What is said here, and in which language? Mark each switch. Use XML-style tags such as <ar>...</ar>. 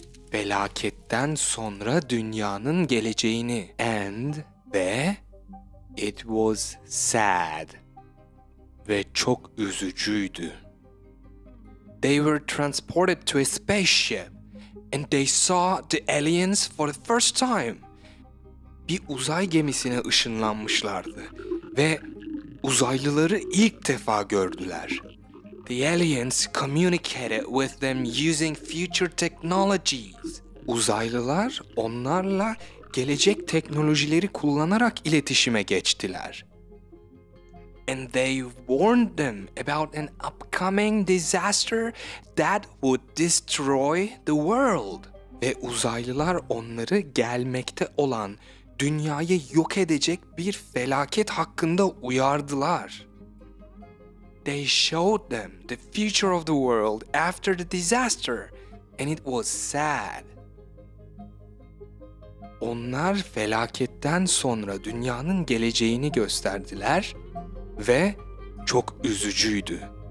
<tr>felaketten sonra dünyanın geleceğini.</tr> <en>And</en> <tr>ve</tr> <en>it was sad,</en> <tr>ve çok üzücüydü.</tr> <en>They were transported to a spaceship and they saw the aliens for the first time.</en> <tr>Bir uzay gemisine ışınlanmışlardı ve uzaylıları ilk defa gördüler.</tr> <en>The aliens communicated with them using future technologies.</en> <tr>Uzaylılar onlarla gelecek teknolojileri kullanarak iletişime geçtiler.</tr> <en>And they warned them about an upcoming disaster that would destroy the world.</en> <tr>Ve uzaylılar onları gelmekte olan, dünyayı yok edecek bir felaket hakkında uyardılar.</tr> <en>They showed them the future of the world after the disaster, and it was sad.</en> <tr>Onlar felaketten sonra dünyanın geleceğini gösterdiler. Ve çok üzücüydü.</tr>